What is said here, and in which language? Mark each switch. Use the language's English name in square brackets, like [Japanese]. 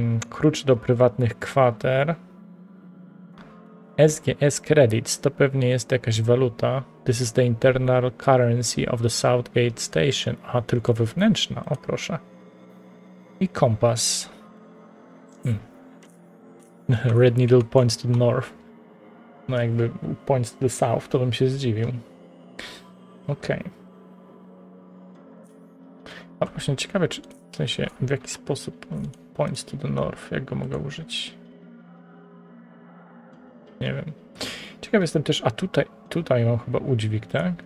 [Polish] Klucz do prywatnych kwater. SGS Credits, to pewnie jest jakaś waluta. [English] This is the internal currency of the Southgate Station. [Polish] A, tylko wewnętrzna, o proszę. I kompas. [English] Red Needle points to the north. [Polish] No jakby [English] points to the south, [Polish] to bym się zdziwił. Okej. Okay. A właśnie ciekawe, czy w sensie w jaki sposób [English] points to the north, [Polish] jak go mogę użyć. Nie wiem. Ciekaw jestem też, a tutaj mam chyba udźwig, tak?